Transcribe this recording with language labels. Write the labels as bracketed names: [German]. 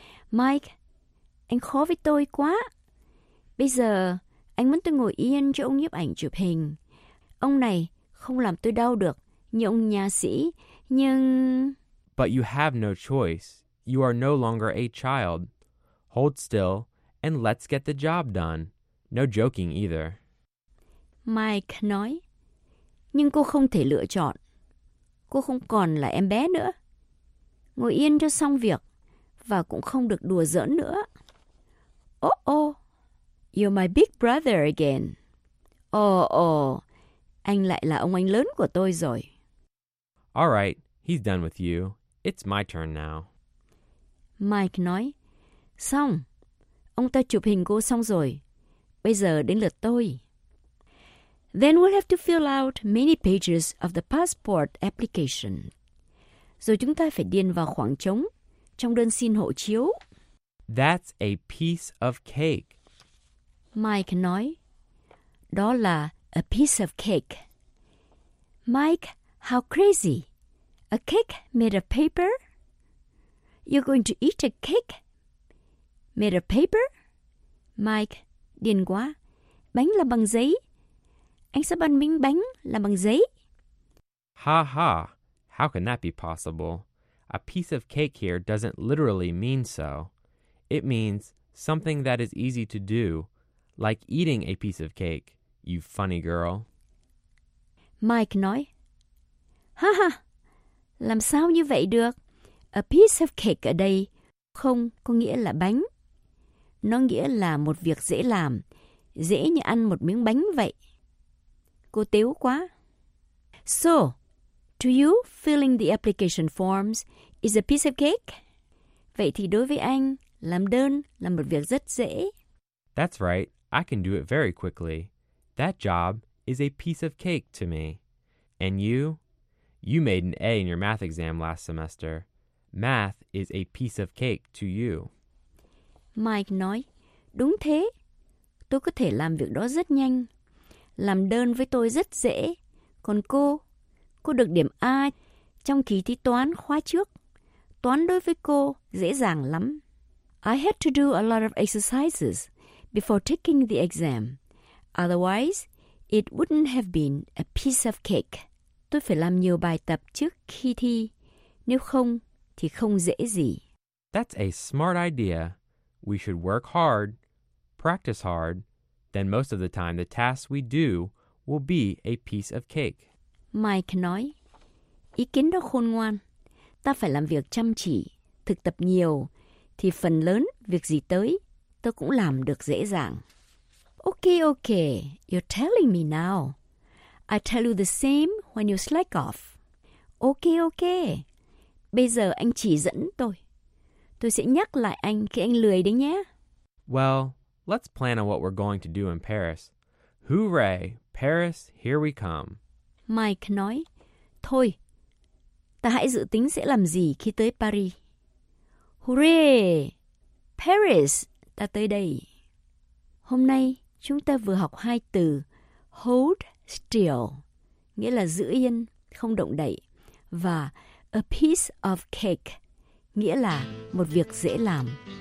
[Vietnamese] Mike, anh khó với tôi quá. Bây giờ, anh muốn tôi ngồi yên cho ông nhiếp ảnh chụp hình. Ông này không làm tôi đau được như ông nha sĩ, nhưng... [English] but you have no choice. You are no longer a child. Hold still, and let's get the job done. No joking either. [Vietnamese] Mike nói, nhưng cô không thể lựa chọn. Cô không còn là em bé nữa. Ngồi yên cho xong việc, và cũng không được đùa giỡn nữa. [English] Oh, you're my big brother again. [Vietnamese] Oh, anh lại là ông anh lớn của tôi rồi. [English] All right, he's done with you. It's my turn now. [Vietnamese] Mike nói, xong, ông ta chụp hình cô xong rồi. Bây giờ đến lượt tôi. [English] Then we'll have to fill out many pages of the passport application. [Vietnamese] Rồi chúng ta phải điền vào khoảng trống trong đơn xin hộ chiếu. [English] That's a piece of cake. [Vietnamese] Mike nói, đó là [English] a piece of cake. Mike, how crazy. A cake made of paper? You're going to eat a cake made of paper? [Vietnamese] Mike, điên quá. Bánh làm bằng giấy. Anh sẽ bán miếng bánh làm bằng giấy. [English] Ha ha, how can that be possible? A piece of cake here doesn't literally mean so. It means something that is easy to do, like eating a piece of cake, you funny girl. [Vietnamese] Mike nói, ha ha, làm sao như vậy được? [English] A piece of cake [Vietnamese] ở đây không có nghĩa là bánh. Nó nghĩa là một việc dễ làm, dễ như ăn một miếng bánh vậy. Cô tếu quá. [English] So, to you, filling the application forms is a piece of cake? [Vietnamese] Vậy thì đối với anh, làm đơn là một việc rất dễ. [English] That's right. I can do it very quickly. That job is a piece of cake to me. And you? You made an A in your math exam last semester. Math is a piece of cake to you. [Vietnamese] Mike nói, đúng thế. Tôi có thể làm việc đó rất nhanh. Làm đơn với tôi rất dễ. Còn cô được điểm A trong kỳ thi toán khóa trước. Toán đối với cô dễ dàng lắm. [English] I had to do a lot of exercises before taking the exam. Otherwise, it wouldn't have been a piece of cake. [Vietnamese] Tôi phải làm nhiều bài tập trước khi thi. Nếu không, thì không dễ gì. [English] That's a smart idea. We should work hard, practice hard. Then most of the time, the tasks we do will be a piece of cake. [Vietnamese] Mike nói, ý kiến đó khôn ngoan. Ta phải làm việc chăm chỉ, thực tập nhiều. Thì phần lớn, việc gì tới, tôi cũng làm được dễ dàng. [English] Okay, you're telling me now. I tell you the same when you slack off. [Vietnamese] Okay. Bây giờ anh chỉ dẫn tôi. Tôi sẽ nhắc lại anh khi anh lười đấy nhé. Well, let's plan on what we're going to do in Paris. Hooray, Paris, here we come. Mike nói, thôi, ta hãy dự tính sẽ làm gì khi tới Paris. Hooray! Paris! Ta tới đây. Hôm nay, chúng ta vừa học hai từ [English] hold still, [Vietnamese] nghĩa là giữ yên, không động đậy, và [English] a piece of cake, [Vietnamese] nghĩa là một việc dễ làm.